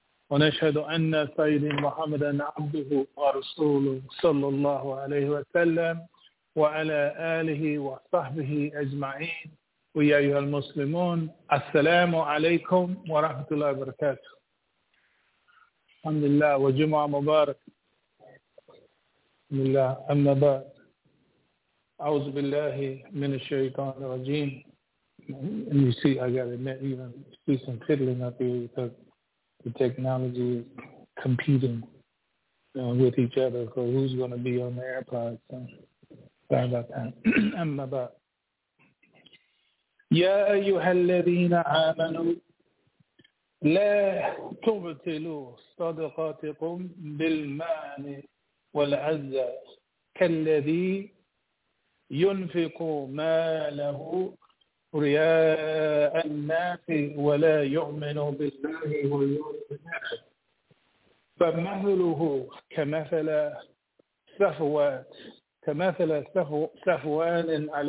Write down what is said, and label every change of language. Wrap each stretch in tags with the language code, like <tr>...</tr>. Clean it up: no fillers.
<ar>ونشهد أن سيدنا محمدا عبده ورسوله صلى الله عليه وسلم وعلى آله وصحبه أجمعين ويا أيها المسلمون السلام عليكم ورحمة الله وبركاته الحمد لله وجمعة مبارك بسم الله أما بعد أعوذ بالله من الشيطان الرجيم.</ar> <en>And you see, I gotta admit, even see some fiddling up here because the technology is competing with each other. So who's gonna be on the AirPods? So, sorry about that.</en> <ar>أما بعد. يا أيها الذين آمنوا لا تبطلوا صدقاتكم بالمن والعزى كالذي ينفق ما له رياء الناس ولا يؤمن بالله واليوم الآخر فمثله كمثل صفوان</ar>